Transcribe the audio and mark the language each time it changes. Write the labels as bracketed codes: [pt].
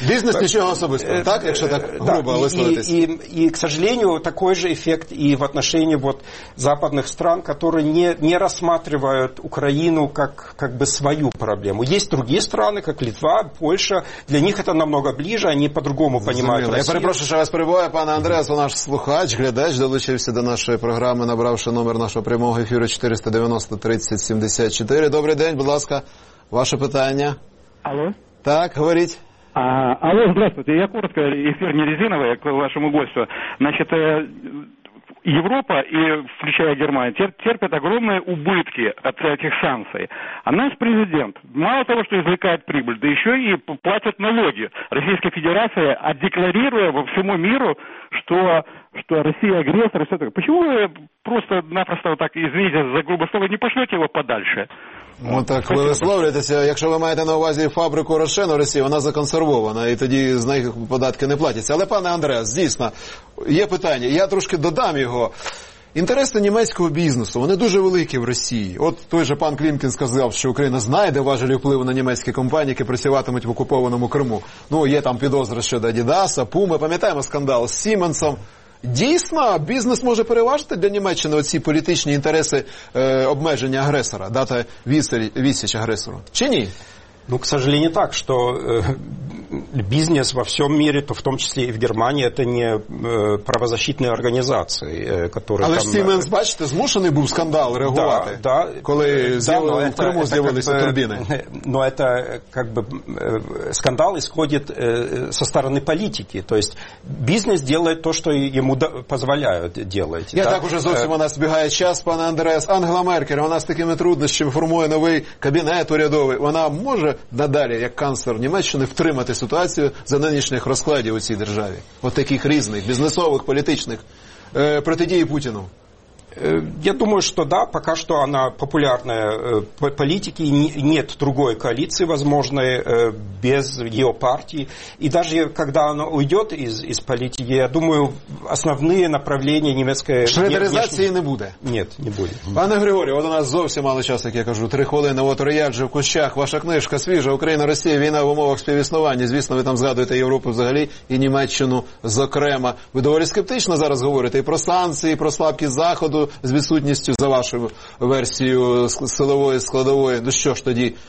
[ru] Бизнес ничего особенного, так? Если так грубо высказываетесь. И, к сожалению, такой же эффект и в отношении вот западных стран, которые не рассматривают Украину как бы свою проблему. Есть другие страны, как Литва, Польша, для них это намного ближе, они по-другому понимают Россию. [uk] Я перепрошу, що вас прибуває, пане Андреас, mm-hmm. наш слухач, глядач, долучився до нашої програми, набравши номер нашого прямого ефіру 490-30-74. Добрий день, будь ласка, ваше питання. Алло. Так, говоріть. [ru] Алло, здравствуйте. Я коротко, эфир не резиновый, к вашему гостю. Значит, Европа, и включая Германию, терпит огромные убытки от этих санкций. А наш президент мало того, что извлекает прибыль, да еще и платит налоги Российской Федерации, декларируя во всему миру, что Россия агрессор и все такое. Почему вы просто-напросто, вот так, извините за грубое слово, не пошлете его подальше? [uk] Ну, так ви висловлюєтеся. Якщо ви маєте на увазі фабрику Рошен у Росії, вона законсервована, і тоді з них податки не платяться. Але, пане Андреас, дійсно, є питання. Я трошки додам його. Інтереси німецького бізнесу, вони дуже великі в Росії. От той же пан Клімкін сказав, що Україна знайде важелі впливу на німецькі компанії, які працюватимуть в окупованому Криму. Ну, є там підозри щодо Адідаса, Пуми, пам'ятаємо скандал з Сіменсом. Дійсно, бізнес може переважити для Німеччини оці політичні інтереси обмеження агресора, дати відсіч агресору, чи ні? [ru] Ну, к сожалению, так, что бизнес во всем мире, то в том числе и в Германии, это не правозащитные организации, которые... [uk] Але там... Сименс, бачите, змушений був скандал реагувати, да, коли в Криму з'явилися турбіни. [ru] Но это как бы скандал исходит со стороны политики, то есть бизнес делает то, что ему позволяют делать. [uk] Я так уже зовсім у нас збігає час, пане Андреас. Ангела Меркель, вона з такими труднощами формує новий кабінет урядовий, вона може надалі, як канцлер Німеччини, втримати ситуацію за нинішніх розкладів у цій державі? От таких різних, бізнесових, політичних, протидії Путіну? [ru] Я думаю, что да, пока что она популярная политики, нет другой коалиции возможной без ее партии. И даже когда она уйдет из политики, я думаю, основные направления немецкой... Шредеризации не будет? Нет, не будет. [uk] Пане Григорію, вот у нас зовсім мало часу, как я кажу, 3 хвилини. Вот Рояджи в кущах, ваша книжка свіжа, Україна, Росія, війна в умовах співіснування. Звісно, ви там згадуєте Європу взагалі і Німеччину зокрема. Ви доволі скептично зараз говорите і про санкції, і про слабкість Заходу, з відсутністю, за вашу версію, силової, складової. Ну що ж тоді?